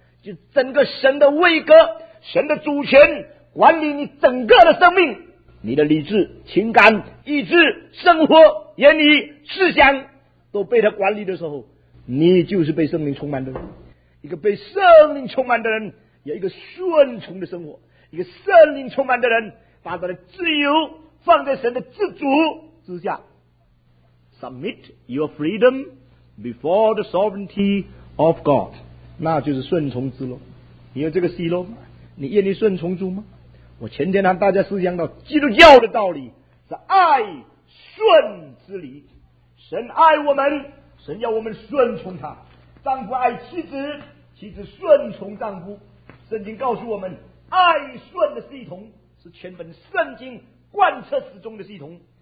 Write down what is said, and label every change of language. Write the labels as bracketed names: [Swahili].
[Chinese] 就整个神的位格，神的主权管理你整个的生命，你的理智、情感、意志、生活、言语、思想都被他管理的时候，你就是被圣灵充满的人。一个被圣灵充满的人有一个顺从的生活，一个圣灵充满的人把他的自由放在神的自主之下。 [English] Submit your freedom before the sovereignty of God， [Chinese] 那就是顺从之路。你有这个喜乐吗？你愿意顺从主吗？我前天和大家思想到基督教的道理是爱顺之理。神爱我们，神要我们顺从他。丈夫爱妻子，妻子顺从丈夫。圣经告诉我们，爱顺的系统是全本圣经贯彻始终的系统。